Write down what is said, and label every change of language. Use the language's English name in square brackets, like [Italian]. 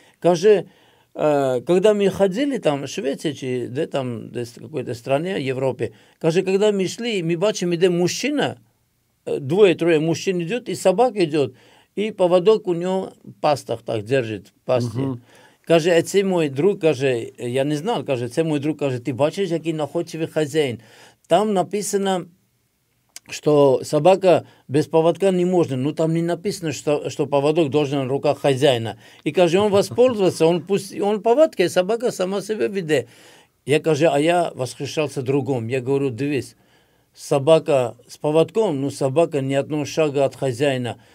[Russian] Каже, когда мы ходили там, в Швеции, или где там, в какой-то стране, в Европе, каже, когда мы шли, мы бачим, где мужчина, двое-трое мужчин идет, и собака идет, и поводок у него в пастах так держит, в пасти. [Ukrainian] Каже, це мой друг, каже, [Russian] я не знал, [Ukrainian] каже, це мой друг, каже, ти бачиш, який находчивий хазяїн. [Russian] Там написано, что собака без поводка не можна, ну там не написано, что поводок должен в руках хазяина. И каже, он воспользовался, он пусть, он поводка, и собака сама себе веде. Я каже, а я восхищался другом. Я говорю, дивись, собака с поводком, ну собака ни одного шага от хозяина.